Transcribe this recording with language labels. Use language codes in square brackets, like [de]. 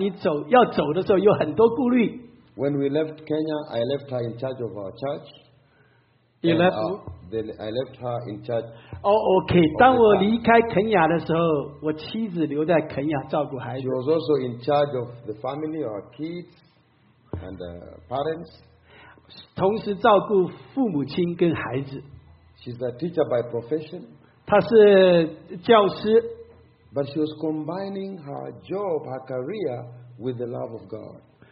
[zh] 但是如果你是一个母亲的话，神要你走，要走的时候有很多顾虑。 [en] When we left Kenya, I left her in charge of our church. You left? I left her in charge. Oh, okay. [zh] 当我离开肯雅的时候，我妻子留在肯雅照顾孩子。 [en] She was also in charge of the family, our kids, and parents. [zh] 同时照顾父母亲跟孩子。 [en] She's a teacher by profession. [zh] 她是教师。 [en] But she was combining her job, her career, with the love of God.